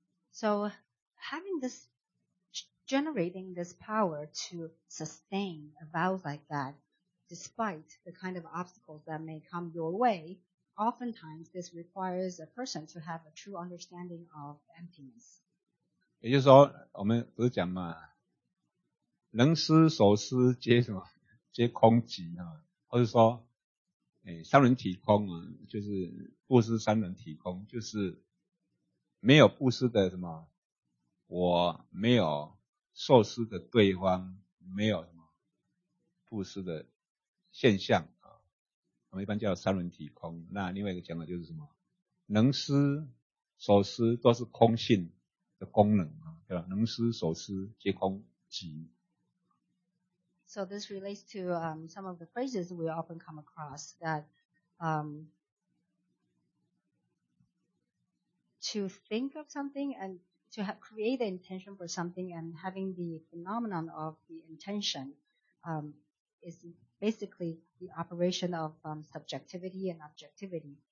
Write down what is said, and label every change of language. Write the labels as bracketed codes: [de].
[en] so having this, generating this power to sustain a vow like that, despite the kind of obstacles that may come your way, oftentimes this requires a person to have a true understanding of emptiness. [zh] 也就是说，我们不是讲嘛，能施所施皆什么，皆空寂啊，或者说。三轮体空啊，就是布施三轮体空，就是没有布施的什么，我没有受施的对方没有什么布施的现象，我们一般叫三轮体空。那另外一个讲的就是什么，能施受施都是空性的功能，对吧？能施受施皆空寂。 [en] So this relates to some of the phrases we often come across that to think of something and to create the intention for something and having the phenomenon of the intention is basically the operation of subjectivity and objectivity.